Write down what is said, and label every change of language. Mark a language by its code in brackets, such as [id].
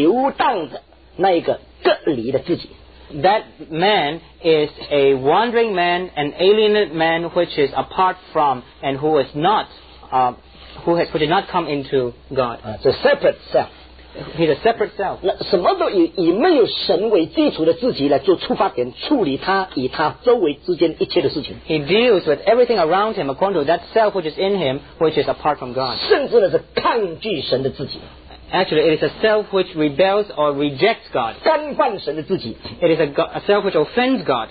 [zh] 就是一个没有神的自己为基础的那一个流荡的那一个隔离的自己。 [en] That man is a wandering man, an alienated man, which is apart from and who is not, who did not come into God. The separate self. He's a separate self. [zh] 那什么都以没有神为基础的自己来做出发点，处理他与他周围之间一切的事情。 [en] He deals with everything around him according to that self which is in him, which is apart from God. [zh] 甚至呢是抗拒神的自己。 [en] Actually, it is a self which rebels or rejects God. [zh] 干犯神的自己。 [en] It is a self which offends God.